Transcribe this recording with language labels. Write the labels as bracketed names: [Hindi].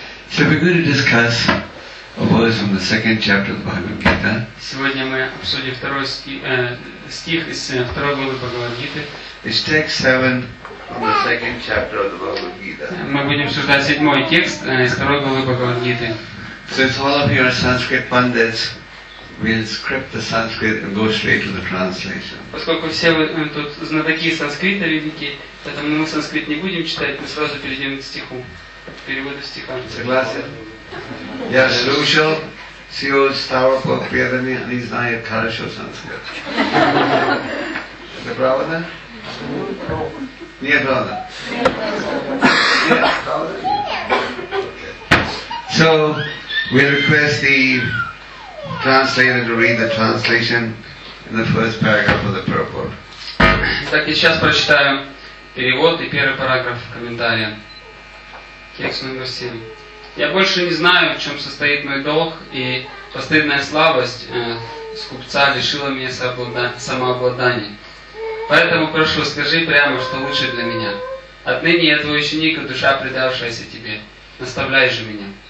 [English] So we're going to discuss a verse from the second chapter of the Bhagavad Gita. [Russian] Сегодня мы обсудим второй стих из второй главы Бхагавад Гиты. [English] It's text 7 from the second chapter of the Bhagavad Gita. [Russian] Мы будем обсуждать седьмой текст из второй главы Бхагавад Гиты. [English] Since all of you are Sanskrit pundits, we'll script the Sanskrit and go straight to the translation. [Russian] Поскольку все вы тут знатоки санскрита великие, поэтому мы санскрит не будем читать, мы сразу перейдем к стиху, к переводу стиха. Согласен? Я слушал всего старого преданный, а не знаю хорошо санскрит. Это правда? Нет, правда? Нет, правда? [English] So, we request the translator to read the translation in the first paragraph of the purport. [Russian] Итак, я сейчас прочитаю перевод и первый параграф комментария. Текст номер 7. Я больше не знаю, в чем состоит мой долг, и постыдная слабость скупца лишила меня самообладания. Поэтому прошу, скажи прямо, что лучше для меня. Отныне я твой ученик и душа, предавшаяся тебе. Наставляй же меня.